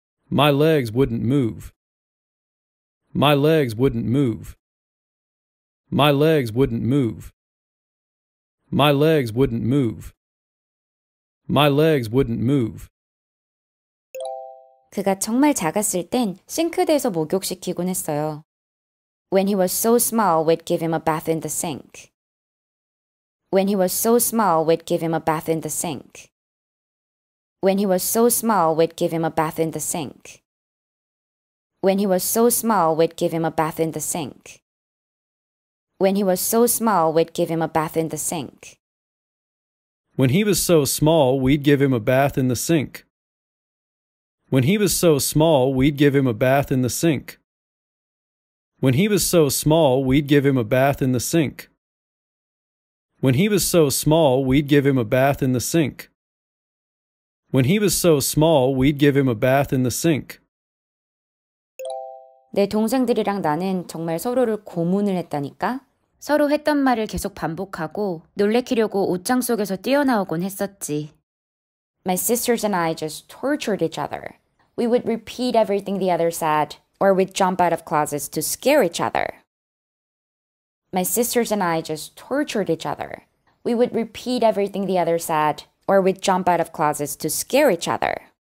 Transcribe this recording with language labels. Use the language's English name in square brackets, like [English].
[English] My legs wouldn't move. My legs wouldn't move. My legs wouldn't move. My legs wouldn't move. My legs wouldn't move. [Korean] 그가 정말 작았을 땐 싱크대에서 목욕시키곤 했어요. [English] When he was so small, we'd give him a bath in the sink. When he was so small, we'd give him a bath in the sink. When he was so small, we'd give him a bath in the sink. When he was so small, we'd give him a bath in the sink. When he was so small, we'd give him a bath in the sink. When he was so small, we'd give him a bath in the sink. When he was so small, we'd give him a bath in the sink. When he was so small, we'd give him a bath in the sink. When he was so small, we'd give him a bath in the sink. When he was so small, we'd give him a bath in the sink. [Korean] 내 동생들이랑 나는 정말 서로를 고문을 했다니까? 서로 했던 말을 계속 반복하고 놀래키려고 옷장 속에서 뛰어나오곤 했었지. [English] My sisters and I just tortured each other. We would repeat everything the other said, or we'd jump out of closets to scare each other. My sisters and I just tortured each other. We would repeat everything the other said, or we'd jump out of closets to scare each other.